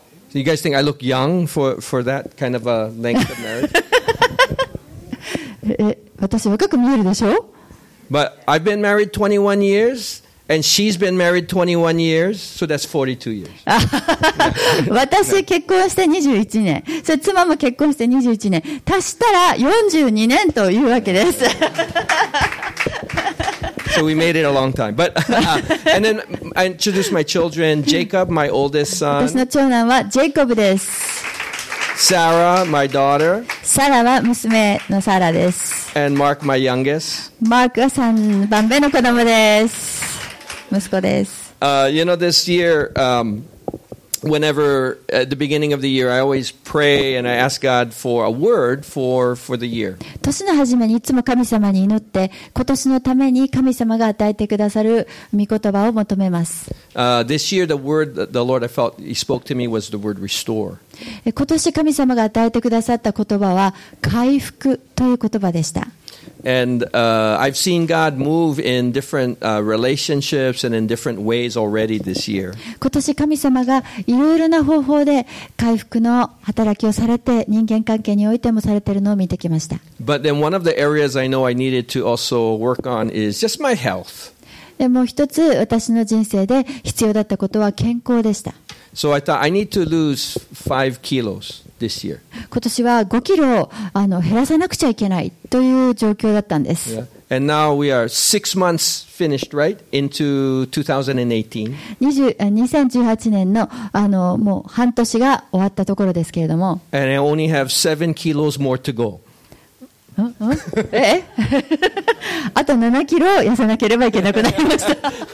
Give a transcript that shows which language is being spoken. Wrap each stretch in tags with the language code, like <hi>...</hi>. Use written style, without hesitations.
<en>So you guys think I look young for that kind of a length of marriage?</en> <ja>私若く見えるでしょ?</ja> <en>But I've been married 21 years. And she's been married 21 years, so that's 42 years.</en> <ja>私結婚して21年。それ妻も結婚して21年。足したら42年というわけです。</ja> <en>So we made it a long time. But, and then I introduced my children, Jacob, my oldest son.</en> <ja>私の長男はジェイコブです。</ja> <en>Sarah, my daughter.</en> <ja>サラは娘のサラです。</ja> <en>And Mark, my youngest.</en> <ja>マークは3番目の子供です。息子です。</ja> <en>You know, this year, whenever at the beginning of the year, I always pray and I ask God for a word for the year.</en> <ja>年の初めにいつも神様に祈って、今年のために神様が与えてくださる御言葉を求めます。</ja> <en>This year, the word that the Lord I felt He spoke to me was the word restore.</en> <ja>今年神様が与えてくださった言葉は回復という言葉でした。</ja> <en>And I've seen God move in different relationships and in different ways already this year.</en> <ja>今年神様がいろいろな方法で回復の働きをされて人間関係においてもされているのを見てきました。</ja> <en>But then one of the areas I know I needed to also work on is just my health.</en> <ja>でも一つ私の人生で必要だったことは健康でした。</ja> <en>So I thought I need to lose 5 kilos. This year.</en> <ja>今年は5キロ減らさなくちゃいけないという状況だったんです。</ja> <en>Yeah. And now we are 6 months finished, right? Into 2018.</en> <ja>2018年のもう半年が終わったところですけれども。</ja> <en>And I only have 7 kilos more to go.</en> <ja>あと7キロ痩せなければいけなくなりました。</ja>